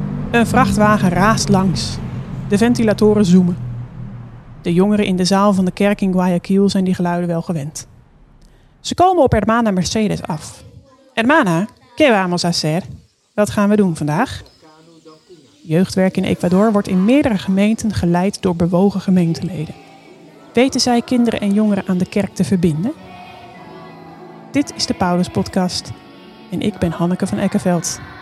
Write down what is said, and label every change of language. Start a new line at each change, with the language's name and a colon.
Dutch: Een vrachtwagen raast langs. De ventilatoren zoomen. De jongeren in de zaal van de kerk in Guayaquil zijn die geluiden wel gewend. Ze komen op Hermana Mercedes af.
Spanish: Hermana, ¿qué vamos a hacer?
Dutch: Wat gaan we doen vandaag? Jeugdwerk in Ecuador wordt in meerdere gemeenten geleid door bewogen gemeenteleden. Weten zij kinderen en jongeren aan de kerk te verbinden? Dit is de Paulus Podcast en ik ben Hanneke van Eckeveld.